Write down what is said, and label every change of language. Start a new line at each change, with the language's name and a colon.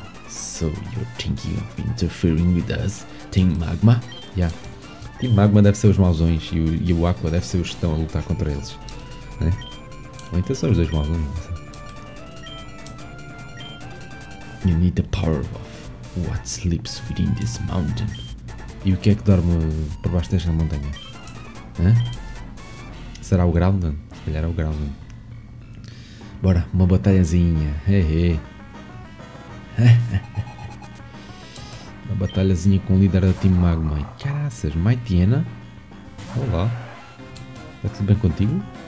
English: So you're thinking of interfering with us, Team Magma? Yeah.
Portuguese: Team Magma deve ser os mauzões e o Aqua deve ser os que estão a lutar contra eles. Né? Ou então são os dois mauzões.
English: You need the power of what sleeps within this mountain.
Portuguese: E o que é que dorme por baixo desta montanha? Hã? Será o Groundon? Se calhar é o Groundon. Bora, uma batalhazinha. Hehe. Uma batalhazinha com o líder da Team Magma. Caraças, Maitiana. Olá. Está tudo bem contigo?